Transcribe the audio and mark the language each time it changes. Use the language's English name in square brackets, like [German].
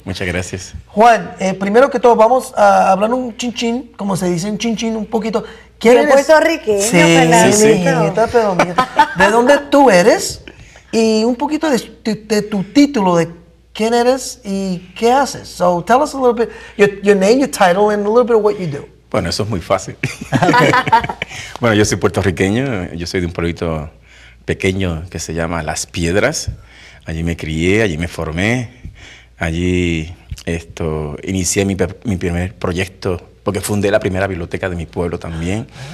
[Spanish] Muchas gracias. Juan, primero que todo, vamos a hablar un chinchín, como se dice, un chinchín, un poquito. ¿Quién eres? Puerto Rico. Sí, Fernandito. Sí, pero mira, ¿de dónde tú eres? Y un poquito de tu título, de quién eres y qué haces. [English] So, tell us a little bit, your name, your title, and a little bit of what you do. [Spanish] Bueno, eso es muy fácil. Okay. Bueno, yo soy puertorriqueño, yo soy de un pueblito pequeño que se llama Las Piedras. Allí me crié, allí me formé, allí inicié mi primer proyecto, porque fundé la primera biblioteca de mi pueblo también.